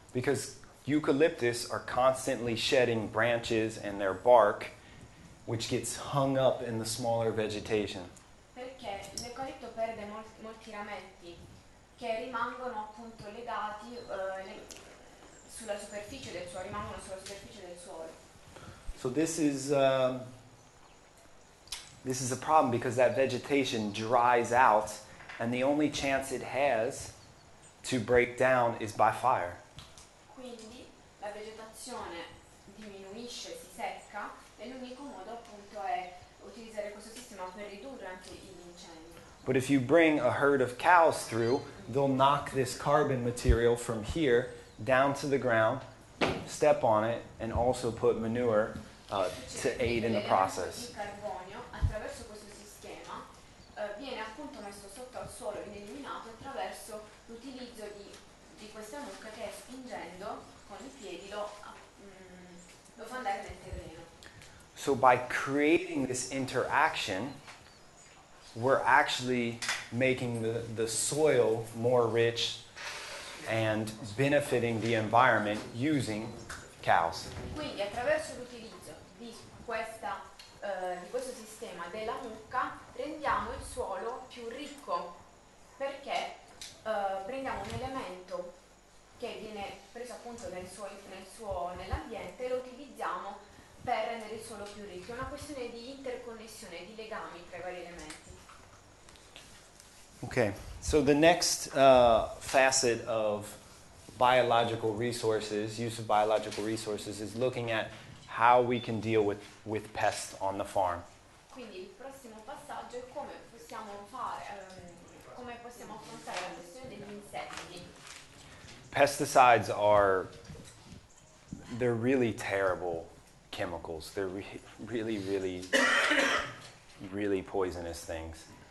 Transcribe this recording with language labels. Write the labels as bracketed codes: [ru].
[en] Because eucalyptus are constantly shedding branches and their bark, which gets hung up in the smaller vegetation. [it] Perché l'eucalipto perde molti rametti. Che rimangono appunto legati sulla superficie del suolo, rimangono sulla superficie del suolo. [en] So this is a problem because that vegetation dries out and the only chance it has to break down is by fire. [it] Quindi la vegetazione diminuisce, si secca, e l'unico modo appunto è utilizzare questo sistema per ridurre anche gli incendi. [en] But if you bring a herd of cows through, they'll knock this carbon material from here down to the ground, step on it, and also put manure to aid in the process. [it] Il carbonio attraverso questo sistema viene appunto messo sotto al suolo ed eliminato attraverso l'utilizzo di questa mucca che spingendo con i piedi lo fa andare nel terreno. [en] So by creating this interaction, we're actually making the soil more rich and benefiting the environment using cows. [it] Quindi attraverso l'utilizzo di questa di questo sistema della mucca rendiamo il suolo più ricco perché prendiamo un elemento che viene preso appunto nell'ambiente e lo utilizziamo per rendere il suolo più ricco. È una questione di interconnessione, di legami tra i vari elementi. [en] Okay, so the next facet of biological resources, use of biological resources, is looking at how we can deal with pests on the farm. [it] Quindi il prossimo passaggio è come possiamo affrontare la questione degli insetti. [en] Pesticides are really terrible chemicals. They're really poisonous things.